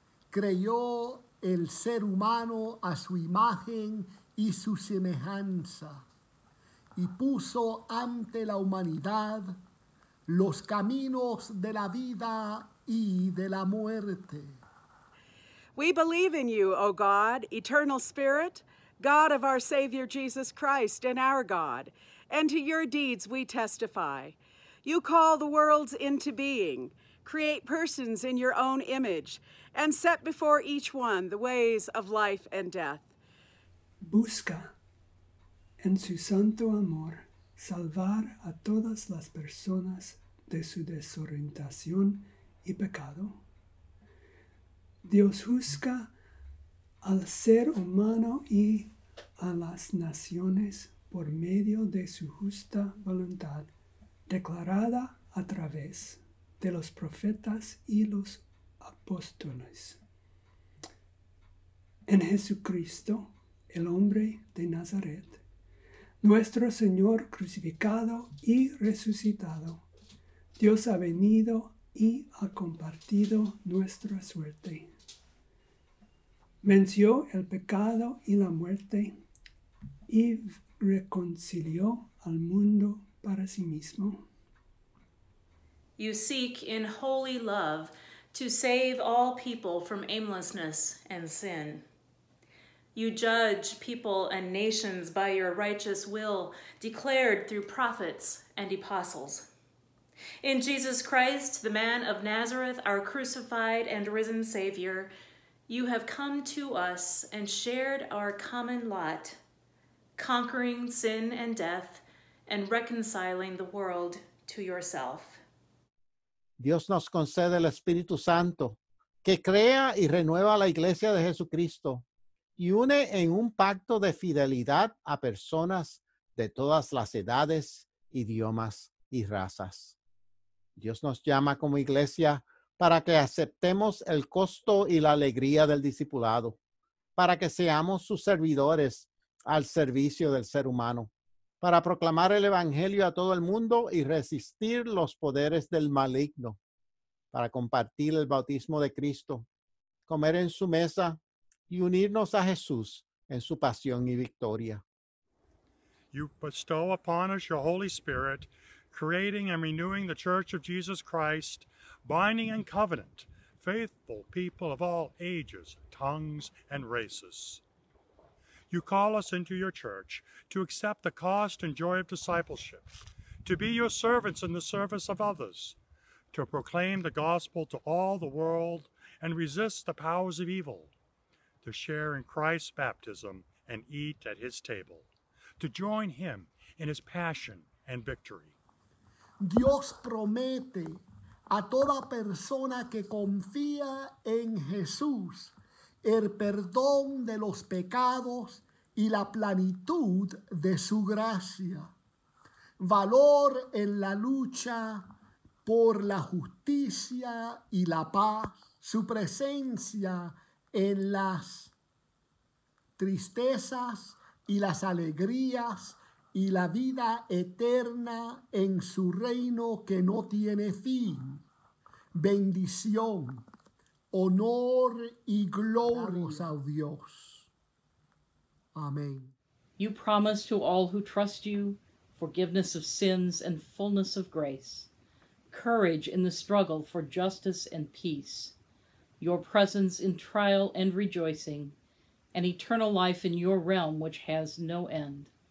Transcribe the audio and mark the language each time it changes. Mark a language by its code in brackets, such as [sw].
[es] Creyó el ser humano a su imagen y su semejanza, y puso ante la humanidad los caminos de la vida y de la muerte. [en] We believe in you, O God, eternal Spirit, God of our Savior Jesus Christ and our God, and to your deeds we testify. You call the worlds into being, create persons in your own image, and set before each one the ways of life and death. [es] Busca en su santo amor salvar a todas las personas de su desorientación y pecado. Dios juzga al ser humano y a las naciones por medio de su justa voluntad declarada a través de los profetas y los apóstoles. En Jesucristo, el hombre de Nazaret, nuestro Señor crucificado y resucitado, Dios ha venido y ha compartido nuestra suerte. Venció el pecado y la muerte y reconcilió al mundo para sí mismo. [en] You seek in holy love to save all people from aimlessness and sin. You judge people and nations by your righteous will, declared through prophets and apostles. In Jesus Christ, the man of Nazareth, our crucified and risen Savior, you have come to us and shared our common lot, conquering sin and death and reconciling the world to yourself. [es] Dios nos concede el Espíritu Santo, que crea y renueva la Iglesia de Jesucristo y une en un pacto de fidelidad a personas de todas las edades, idiomas y razas. Dios nos llama como Iglesia para que aceptemos el costo y la alegría del discipulado, para que seamos sus servidores al servicio del ser humano, para proclamar el Evangelio a todo el mundo y resistir los poderes del maligno, para compartir el bautismo de Cristo, comer en su mesa y unirnos a Jesús en su pasión y victoria. [en] You bestow upon us your Holy Spirit, creating and renewing the Church of Jesus Christ, binding in covenant, faithful people of all ages, tongues, and races. You call us into your church to accept the cost and joy of discipleship, to be your servants in the service of others, to proclaim the gospel to all the world and resist the powers of evil, to share in Christ's baptism and eat at his table, to join him in his passion and victory. [es] Dios promete a toda persona que confía en Jesús el perdón de los pecados y la plenitud de su gracia, valor en la lucha por la justicia y la paz, su presencia en las tristezas y las alegrías y la vida eterna en su reino que no tiene fin, bendición, honor y gloria a Dios. Amen. [en] You promise to all who trust you forgiveness of sins and fullness of grace, courage in the struggle for justice and peace, your presence in trial and rejoicing, and eternal life in your realm which has no end.